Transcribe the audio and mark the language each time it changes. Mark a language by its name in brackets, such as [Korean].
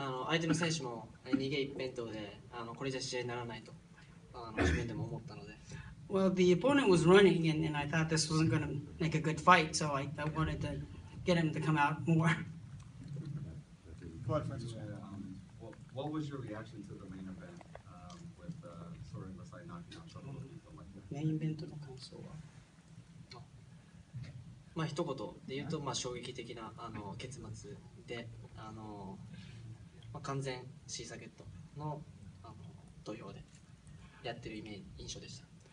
[Japanese] 相手の選手も逃げ一辺倒で、これじゃ試合にならないと、自分でも思ったので。 [English] Well, the opponent was running, and I thought this wasn't going to make a good fight, so I wanted to get him to come out more. Go ahead, Francisco. What was your reaction to the main event with Soren Masai knocking out some of the people? [Japanese] Main event の感想は、まあ一言で言うと、まあ衝撃的な結末で、まあ完全シーサゲットの土俵でやってる印象でした。